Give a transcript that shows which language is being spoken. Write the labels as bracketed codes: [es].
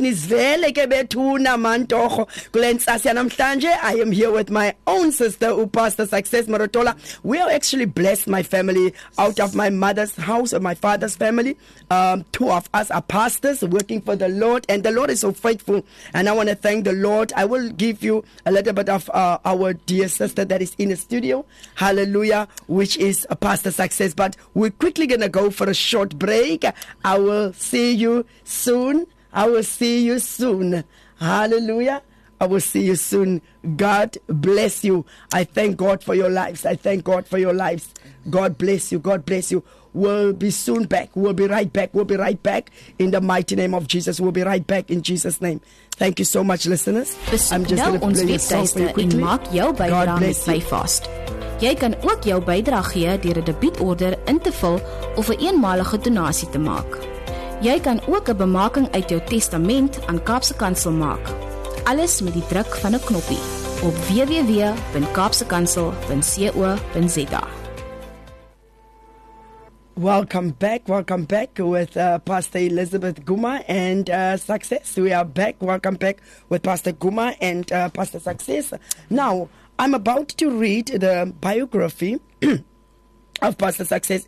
[en] Nie wel ek het toe na man tog. Glens as jy namstande. I am here with my own sister, who Pastor Success Marotola. We are actually blessed, my family, out of my mother's house and my father's family. Two of us are pastors working for the Lord, and the Lord is so faithful. And I want to thank the Lord. I will give you a little bit of our dear sister that is in the studio. Hallelujah, which is a Pastor Success, but we're quickly going to go for a short break. I will see you soon. I will see you soon. Hallelujah. I will see you soon. God bless you. I thank God for your lives. I thank God for your lives. God bless you. God bless you. We'll be soon back. We'll be right back. We'll be right back in the mighty name of Jesus. We'll be right back in Jesus' name. Thank you so much, listeners. I'm just going to play a song for you quickly. God bless you. [af] Jy kan ook jou bydrae gee deur 'n debietorder in te vul of 'n eenmalige donasie te maak. Jy kan ook 'n bemaking uit jou testament aan Kaapse Kansel maak. Alles met die druk van 'n knoppie op www.kaapsekansel.co.za. [en] Welcome back with Pastor Elizabeth Guma and Success. We are back. Welcome back with Pastor Guma and Pastor Success. Now, I'm about to read the biography of Pastor Success.